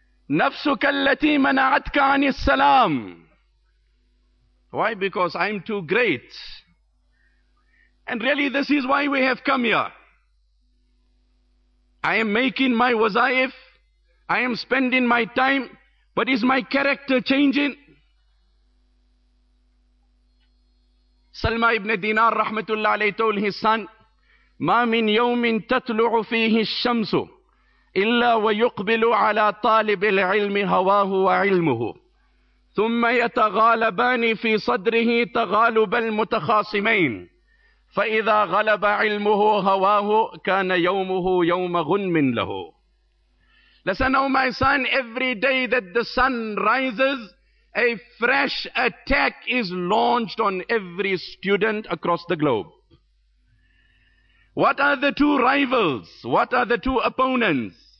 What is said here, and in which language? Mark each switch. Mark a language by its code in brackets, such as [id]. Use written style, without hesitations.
[ar] نَفْسُكَ الَّتِي مَنَعَتْكَ عَنِ السَّلَامِ. [en] Why? Because I'm too great. And really, this is why we have come here. I am making my wazaif. I am spending my time. But is my character changing? Salma ibn Dinar rahmatullah alayhi told his son, [ar] مَا مِنْ يَوْمٍ تَتْلُعُ فِيهِ الشَّمْسُ إِلَّا وَيُقْبِلُ عَلَىٰ طَالِبِ الْعِلْمِ هَوَاهُ وَعِلْمُهُ ثُمَّ يَتَغَالَبَانِ فِي صَدْرِهِ تَغَالُبَ الْمُتَخَاصِمَيْنِ فَإِذَا غَلَبَ عِلْمُهُ هَوَاهُ كَانَ يَوْمُهُ يَوْمَ غُنْمٍ لَهُ. [en] Listen, oh my son, every day that the sun rises, a fresh attack is launched on every student across the globe. What are the two rivals? What are the two opponents?